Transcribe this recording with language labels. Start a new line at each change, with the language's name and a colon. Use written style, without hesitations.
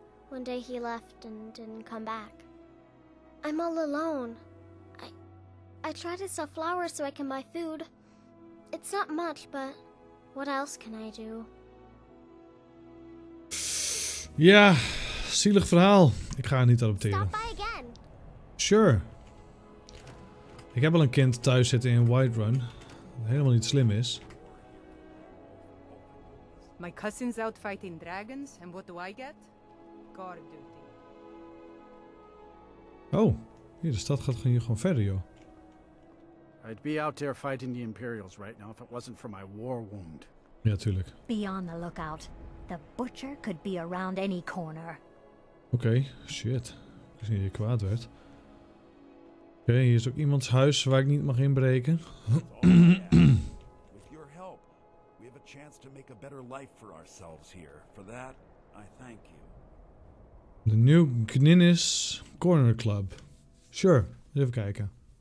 English: One day he left and didn't come back. I'm all alone. I try to sell flowers so I can buy food. It's not much, but what else can I do?
Dutch: Ja, zielig verhaal. Ik ga het niet adopteren.
English: Stop by again. Sure.
Dutch: Ik heb al een kind thuis zitten in Whiterun. Dat helemaal niet slim is.
English: My cousin's out fighting dragons, and what do I get? Guard duty.
Dutch: Oh, hier, de stad gaat hier gewoon verder, joh.
English: I'd be out there fighting the Imperials right now if it wasn't for my war wound.
Dutch: Ja, tuurlijk.
English: Be on the lookout. The butcher could be around any corner.
Dutch: Oké, okay. Shit. Ik zie dat je kwaad werd. Oké, okay, hier is ook iemands huis waar ik niet mag inbreken.
English: With your help, we have a chance to make a better life for ourselves here. For that, I thank you.
Dutch: The New Gninnis Corner Club. Sure, even kijken.